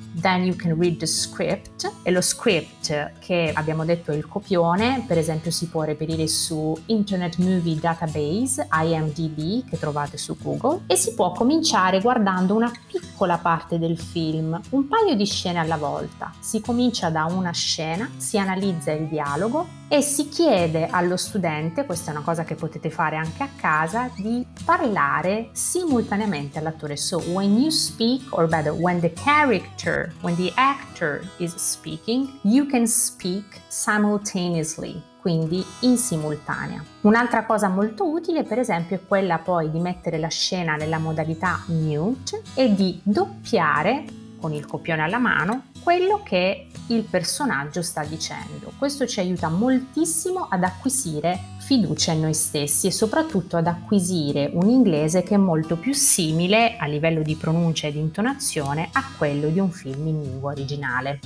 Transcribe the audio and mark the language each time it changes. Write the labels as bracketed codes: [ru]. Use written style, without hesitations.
[en] then you can read the script. [it] E lo script, che abbiamo detto è il copione, per esempio si può reperire su Internet Movie Database, IMDb, che trovate su Google, e si può cominciare guardando una piccola parte del film, un paio di scene alla volta. Si comincia da una scena, si analizza il dialogo e si chiede allo studente, questa è una cosa che potete fare anche a casa, di parlare simultaneamente all'attore. [en] So when you speak, or better, when the character, when the actor is speaking, you can speak simultaneously, [it] quindi in simultanea. Un'altra cosa molto utile, per esempio, è quella poi di mettere la scena nella modalità mute e di doppiare con il copione alla mano quello che il personaggio sta dicendo. Questo ci aiuta moltissimo ad acquisire fiducia in noi stessi e soprattutto ad acquisire un inglese che è molto più simile a livello di pronuncia e di intonazione a quello di un film in lingua originale.